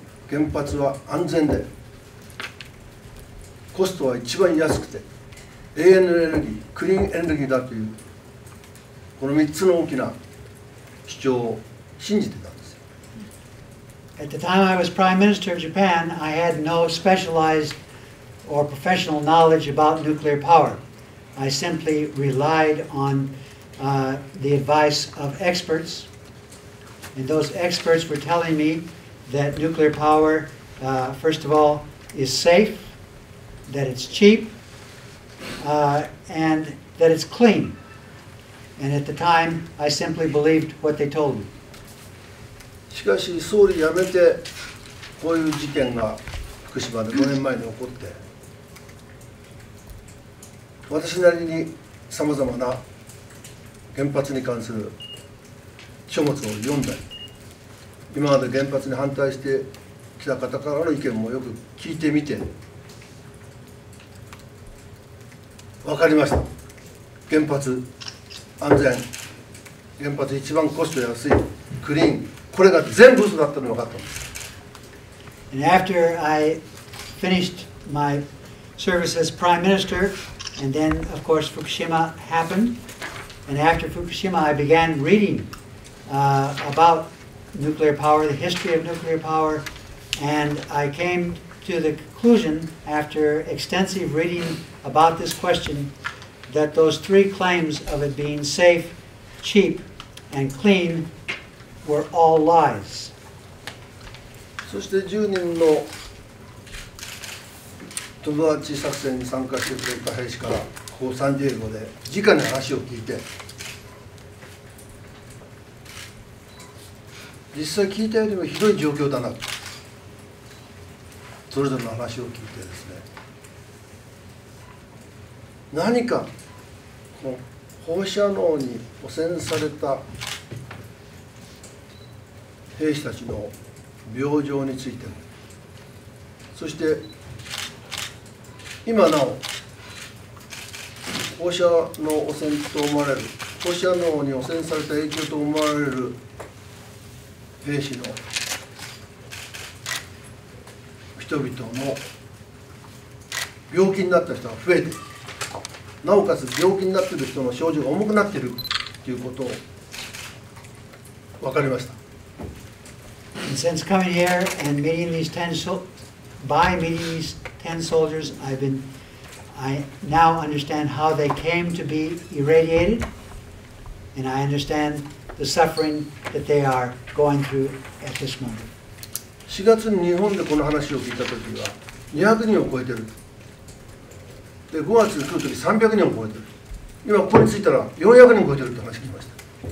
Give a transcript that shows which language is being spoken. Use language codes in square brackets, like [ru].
[ja] 原発は安全で、コストは一番安くて、永遠のエネルギー、クリーンエネルギーだという、この3つの大きな主張を信じてた。 [en] At the time I was Prime Minister of Japan, I had no specialized or professional knowledge about nuclear power. I simply relied on the advice of experts. And those experts were telling me that nuclear power, first of all, is safe, that it's cheap, and that it's clean. And at the time, I simply believed what they told me. [ja] しかし総理辞めてこういう事件が福島で5年前に起こって私なりにさまざまな原発に関する書物を読んだり今まで原発に反対してきた方からの意見もよく聞いてみて分かりました原発安全原発一番コスト安いクリーンこれが全部嘘だったのが分かったんです。 [en] And after I finished my service as Prime Minister, and then, of course, Fukushima happened, and after Fukushima, I began reading about nuclear power, the history of nuclear power, and I came to the conclusion, after extensive reading about this question, that those three claims of it being safe, cheap, and clean,were all lies. [ja] そして10人の友達作戦に参加してくれた兵士からここサンディエゴで直に話を聞いて実際聞いたよりもひどい状況だなとそれぞれの話を聞いてですね何かこの放射能に汚染された兵士たちの病状についてもそして今なお放射能汚染と思われる放射能に汚染された影響と思われる兵士の人々の病気になった人が増えてなおかつ病気になっている人の症状が重くなっているということを分かりました。 [en] And since coming here and meeting these ten soldiers, I now understand how they came to be irradiated, and I understand the suffering that they are going through at this moment. [ja] 4月に日本でこの話を聞いたときは200人を超えてる。で、5月に来るとき300人を超えてる。今ここに着いたら400人を超えてるって話聞きました。